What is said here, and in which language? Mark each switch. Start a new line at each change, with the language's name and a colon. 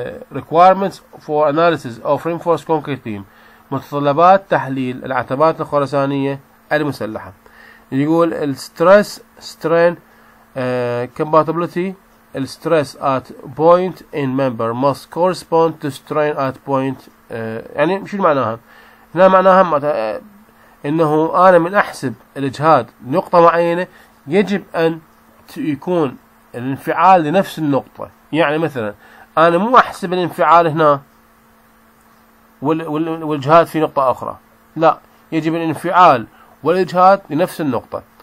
English: requirements for analysis of reinforced concrete beam.
Arabic: متطلبات تحليل العتبات الخرسانية المسلحة. يقول
English: stress strain compatibility. The stress at point in member must correspond to strain at point.
Arabic: يعني شو معناها؟ هنا معناها إنه أنا من أحسب الإجهاد نقطة معينة يجب أن يكون الانفعال لنفس النقطة. يعني مثلا أنا مو أحسب الانفعال هنا والإجهاد في نقطة أخرى، لا، يجب الانفعال والإجهاد لنفس النقطة.